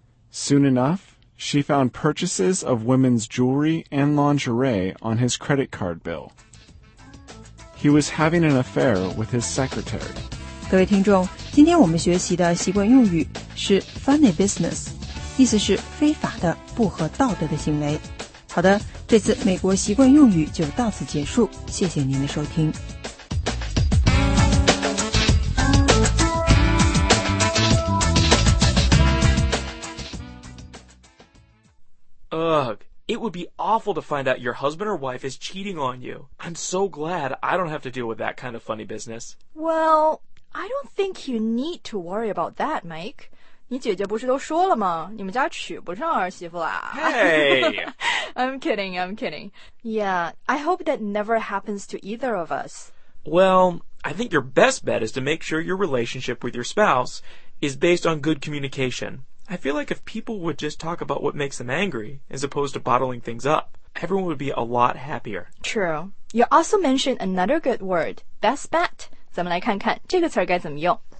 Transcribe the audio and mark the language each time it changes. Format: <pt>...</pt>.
<en>Soon enough,She found purchases of women's jewelry and lingerie on his credit card bill. He was having an affair with his secretary.</en> <zh>各位听众，今天我们学习的习惯用语是 funny business， 意思是非法的、不合道德的行为。好的，这次美国习惯用语就到此结束，谢谢您的收听。</zh> <en>Ugh, it would be awful to find out your husband or wife is cheating on you. I'm so glad I don't have to deal with that kind of funny business. Well, I don't think you need to worry about that, Mike.</en> <zh>你姐姐不是都说了吗？你们家娶不上儿媳妇啦。</zh> <en>Hey! I'm kidding. Yeah, I hope that never happens to either of us. Well, I think your best bet is to make sure your relationship with your spouse is based on good communication. I feel like if people would just talk about what makes them angry, as opposed to bottling things up, everyone would be a lot happier. True. You also mentioned another good word, best bet.</en> <zh>咱们来看看这个词该怎么用。</zh>